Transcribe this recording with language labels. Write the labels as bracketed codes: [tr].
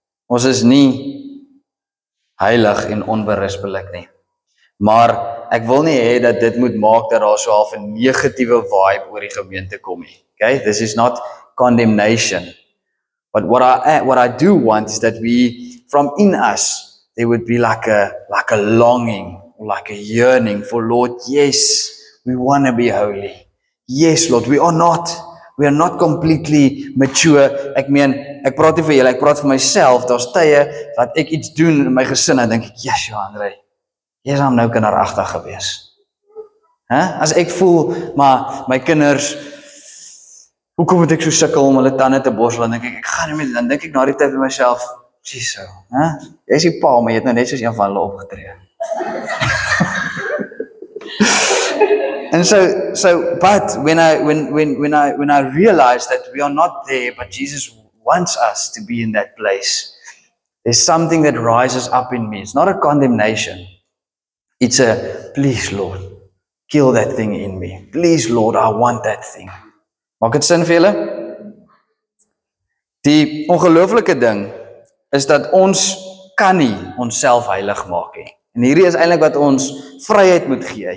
[af] Ons is nie heilig en onberispelik nie. Maar ek wil nie hê dat dit moet maak dat daar so half 'n negatiewe vibe oor die gemeente kom nie. [en] Okay, this is not condemnation. But what I do want is that we, from in us, there would be like a longing, like a yearning for Lord, yes, we want to be holy. Yes, Lord, we are not. We are not completely mature. [af] Ek meen, ek praat nie vir julle, ek praat vir myself. Daar's tye wat ek iets doen in my gesin en dink ek, "Jesus, Andre, jy is nou kinderagtig gewees." Hè? As ek voel maar my kinders hoekom moet ek so sukkel om hulle tande te borsel? Dan dink ek, ek gaan nie meer, dan dink ek na die tyd vir myself, "Jesus, hè? Jy is die pa, maar jy het nou net soos een van hulle opgetree." [en] And so but when I realize that we are not there, but Jesus wants us to be in that place, there's something that rises up in me. It's not a condemnation. It's a, please, Lord, kill that thing in me. Please, Lord, I want that thing. [af] Maak dit sin vir julle? Die ongelooflike ding is dat ons kan nie onsself heilig maak nie. En hierdie is eintlik wat ons vryheid moet gee.